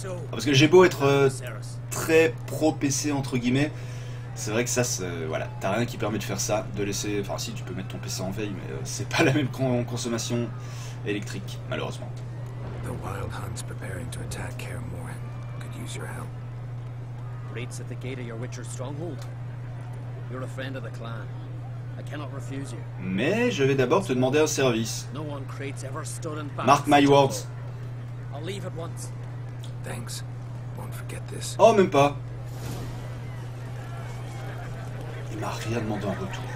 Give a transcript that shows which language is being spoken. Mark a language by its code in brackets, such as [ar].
[fr] Parce que j'ai beau être très pro-PC, entre guillemets. C'est vrai que ça, voilà, t'as rien qui permet de faire ça. De laisser... Enfin, si, tu peux mettre ton PC en veille, mais c'est pas la même consommation électrique, malheureusement. [en] The Wild Hunt's preparing to attack Kaer Morhen. Could use your help. Raids at the gate of your Witcher stronghold. You're a friend of the clan. I cannot refuse you. [fr] Mais je vais d'abord te demander un service. [en] No one crates ever stood in battle. Mark my words. I'll leave at once. Thanks. Won't forget this. [fr] Oh, même pas. Il m'a rien demandé en retour.